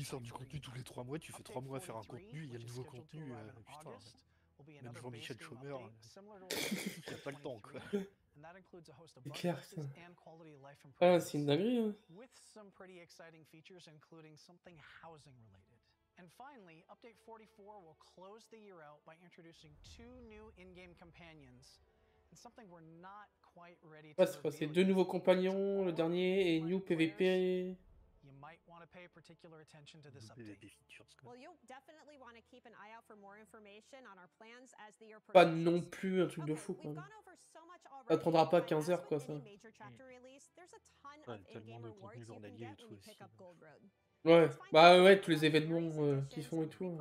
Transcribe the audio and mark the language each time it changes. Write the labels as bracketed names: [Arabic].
[French] ils sortent du contenu tous les 3 mois, tu fais 3 mois à faire un contenu, il y a le nouveau contenu. Putain, même Jean-Michel Chômeur, il a pas le temps quoi. [English] And that includes a host of bugs and quality of life improvements. [French] Ah, c'est une dinguerie, hein. [English] With some pretty exciting features, including something housing related. And finally, update 44 will close the year out by introducing two new in-game companions and something we're not quite ready to. [French] Ah, c'est deux nouveaux compagnons, le dernier et new PVP. [English] You might want to pay particular attention to this update. Well, you'll definitely want to keep an eye out for more information on our plans as the year progresses. [French] Pas non plus un truc de fou quoi. Ça prendra pas 15 heures quoi ça. Ouais, tellement de contenu journalier et tout aussi. Ouais, bah ouais, tous les événements qu'ils font et tout.